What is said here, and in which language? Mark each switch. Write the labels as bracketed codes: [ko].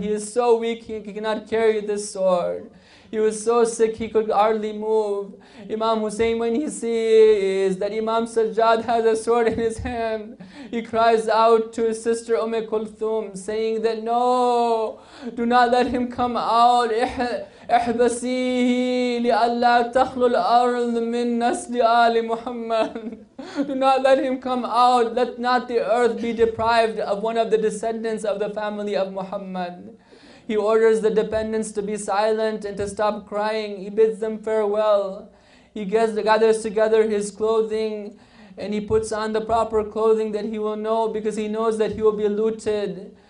[en] He is so weak, he cannot carry this sword. He was so sick, he could hardly move. Imam Hussein, when he sees that Imam Sajjad has a sword in his hand, he cries out to his sister Umm Kulthum, saying that, No, do not let him come out. [ar] احبسيه لألا تخلو الأرض من نسل آل محمد. [en] Do not let him come out. Let not the earth be deprived of one of the descendants of the family of Muhammad. He orders the dependents to be silent and to stop crying. He bids them farewell. He gathers together his clothing and he puts on the proper clothing that he will know, because he knows that he will be looted.